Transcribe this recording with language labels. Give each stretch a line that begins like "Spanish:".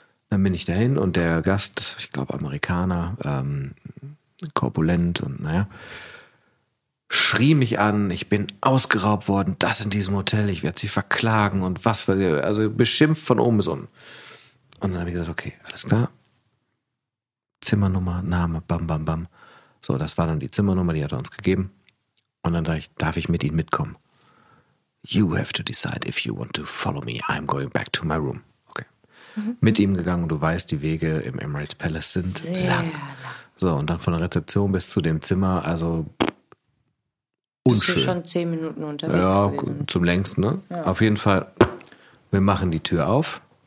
German: Dann bin ich dahin und der Gast, ich glaube Amerikaner, korpulent und naja, schrie mich an, ich bin ausgeraubt worden, das in diesem Hotel, ich werde sie verklagen und was, also beschimpft von oben bis unten. Und dann habe ich gesagt, okay, alles klar, Zimmernummer, Name, bam, bam, bam. So, das war dann die Zimmernummer, die hat er uns gegeben. Und dann sage ich, darf ich mit Ihnen mitkommen?
English: You have to decide if you want to follow me. I'm going back to my room. Okay. Mhm.
German: Mit ihm gegangen und du weißt, die Wege im Emirates Palace sind sehr lang. So, und dann von der Rezeption bis zu dem Zimmer, also unschön. Bist du schon 10 Minuten unterwegs? Ja, gewesen. Zum längsten, ne? Ja. Auf jeden Fall, wir machen die Tür auf.